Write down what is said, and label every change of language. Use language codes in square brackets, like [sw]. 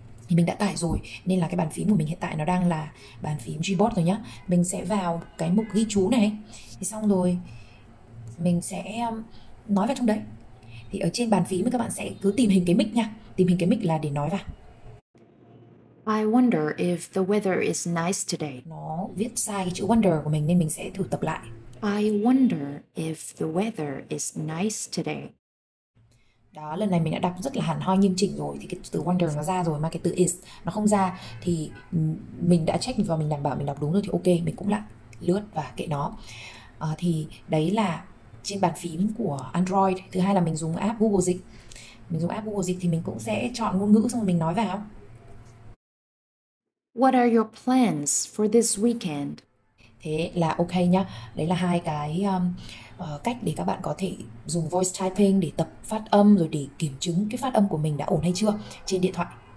[vi] Thì mình đã tải rồi nên là cái bàn phím của mình hiện tại nó đang là bàn phím Gboard rồi nhá. Mình sẽ vào cái mục ghi chú này. Thì xong rồi mình sẽ nói vào trong đấy. Thì ở trên bàn phím các bạn sẽ cứ tìm hình cái mic nha. Tìm hình cái mic là để nói vào. [en] I wonder if the weather is nice today. [vi] Nó viết sai cái chữ wonder của mình nên mình sẽ thử tập lại. [en] I wonder if the weather is nice today. [vi] Đó, lần này mình đã đọc rất là hẳn hoi nghiêm chỉnh rồi thì cái từ wonder nó ra rồi mà cái từ is nó không ra, thì mình đã check và mình đảm bảo mình đọc đúng rồi thì ok, mình cũng lại lướt và kệ nó. Thì đấy là trên bàn phím của Android. Thứ hai là mình dùng app Google Dịch. Mình dùng app Google Dịch thì mình cũng sẽ chọn ngôn ngữ xong rồi mình nói vào. [en] What are your plans for this weekend? [vi] Thế là ok nhá. Đấy là hai cái cách để các bạn có thể dùng voice typing để tập phát âm rồi để kiểm chứng cái phát âm của mình đã ổn hay chưa trên điện thoại.